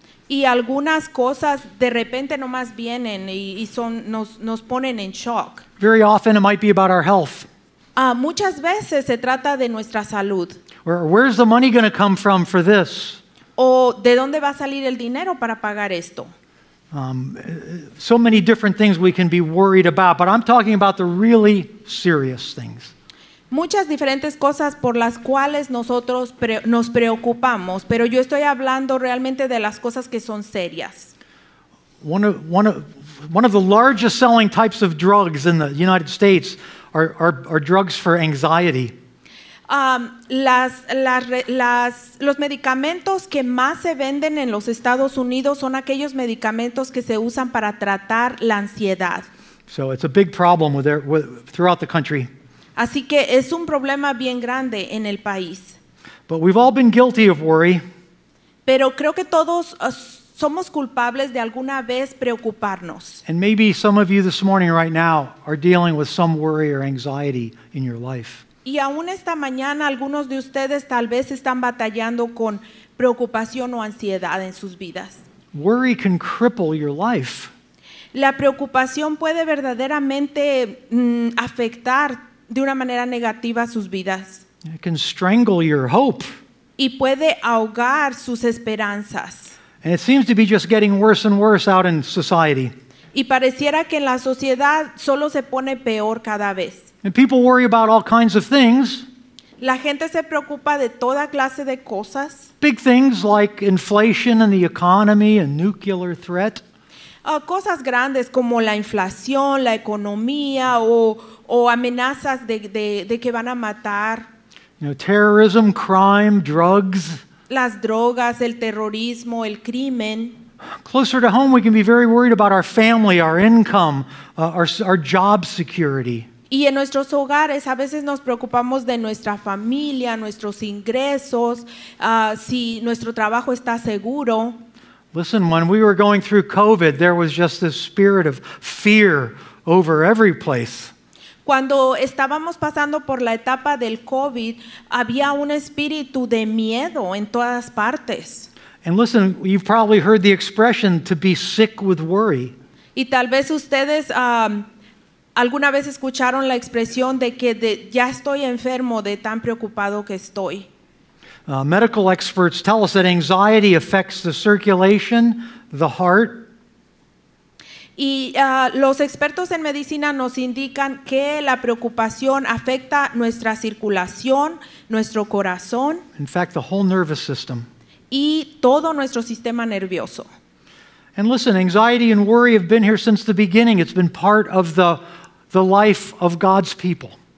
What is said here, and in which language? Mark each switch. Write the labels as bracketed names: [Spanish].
[Spanish] Y algunas cosas de repente nomás vienen y son nos ponen en shock. [English] Very often it might be about our health. [Spanish] Muchas veces se trata de nuestra salud. [English] Where's the money going to come from for this? [Spanish] O de dónde va a salir el dinero para pagar esto. [English] So many different things we can be worried about, but I'm talking about the really serious things. [Spanish] Muchas diferentes cosas por las cuales nosotros nos preocupamos, pero yo estoy hablando realmente de las cosas que son serias. [English] One of the largest selling types of drugs in the United States are drugs for anxiety. [Spanish] Los medicamentos que más se venden en los Estados Unidos son aquellos medicamentos que se usan para tratar la ansiedad. [English] So it's a big problem throughout the country. [Spanish] Así que es un problema bien grande en el país. [English] But we've all been guilty of worry. [Spanish] Pero creo que todos somos culpables de alguna vez preocuparnos. [English] And maybe some of you this morning right now are dealing with some worry or anxiety in your life. [Spanish] Y aún esta mañana algunos de ustedes tal vez están batallando con preocupación o ansiedad en sus vidas. [English] Worry can cripple your life. [Spanish] La preocupación puede verdaderamente afectar de una manera negativa sus vidas. [English] It can strangle your hope. [Spanish] Y puede ahogar sus esperanzas. [English] And it seems to be just getting worse and worse out in society. [Spanish] Y pareciera que en la sociedad solo se pone peor cada vez. [English] And people worry about all kinds of things. [Spanish] La gente se preocupa de toda clase de cosas. [English] Big things like inflation and the economy and nuclear threat. [Spanish] Cosas grandes como la inflación, la economía o amenazas de que van a matar. [English] You know, terrorism, crime, drugs. [Spanish] Las drogas, el terrorismo, el crimen. [English] Closer to home, we can be very worried about our family, our income, our job security. [Spanish] Y en nuestros hogares a veces nos preocupamos de nuestra familia, nuestros ingresos, si nuestro trabajo está seguro. [English] Listen, when we were going through COVID, there was just this spirit of fear over every place. [Spanish] Cuando estábamos pasando por la etapa del COVID, había un espíritu de miedo en todas partes. [English] And listen, you've probably heard the expression to be sick with worry. [Spanish] Y tal vez ustedes ¿alguna vez escucharon la expresión de que ya estoy enfermo de tan preocupado que estoy? [English] Medical experts tell us that anxiety affects the circulation, the heart. [Spanish] Y los expertos en medicina nos indican que la preocupación afecta nuestra circulación, nuestro corazón. [English] In fact, the whole nervous system. [Spanish] Y todo nuestro sistema nervioso. [English] And listen, anxiety and worry have been here since the beginning. It's been part of the life of God's people.